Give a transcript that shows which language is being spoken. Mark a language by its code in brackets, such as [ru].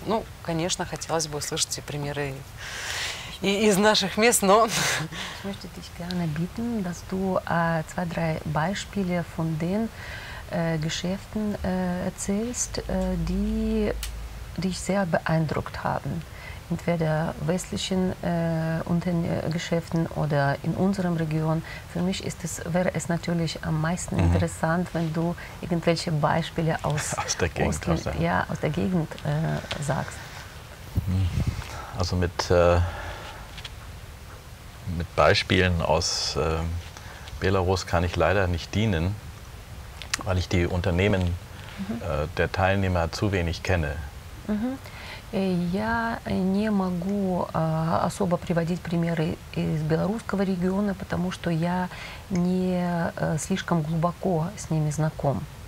[ru] Ну, конечно, хотелось бы услышать и примеры из наших мест, но... [de] Ich möchte dich gerne bitten, dass du zwei, drei Beispiele von den Geschäften erzählst, die dich sehr beeindruckt haben. Entweder westlichen Geschäften oder in unserem Region. Für mich wäre es natürlich am meisten interessant, wenn du irgendwelche Beispiele aus der Gegend sagst. Also mit Beispielen aus Belarus kann ich leider nicht dienen, weil ich die Unternehmen der Teilnehmer zu wenig kenne. [ru] Я не могу особо приводить примеры из белорусского региона, потому что я не слишком глубоко с ними знаком.